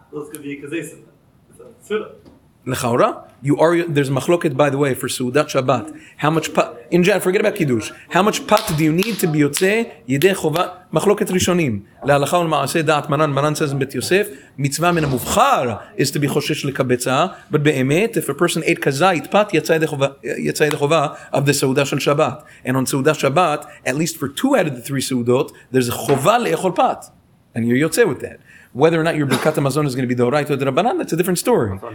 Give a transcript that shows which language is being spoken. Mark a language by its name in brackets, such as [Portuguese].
[English] those could be kezaisim. It's a seuda. Lechaura, you are there's machloket by the way for seudat Shabbat. How much pat in general? Forget about kiddush. How much pat do you need to be yotze yideh chovat? [Hebrew] מחלוקת ראשונים, להלכה ולמעשה דעת מרן, מרן סזם בית יוסף, מצווה מן המובחר, is to be חושש לקבצה, but באמת, [English] if a person ate [Hebrew] כזית, פת יצא ידי חובה, of the סעודה של שבת. [English] And on סעודה שבת, at least for two out of the three סעודות, there's a חובה לאכול פת. And you're יוצא with that. Whether or not your ברכת המזון is going to be דהוריית או דרבנן, that's a different story.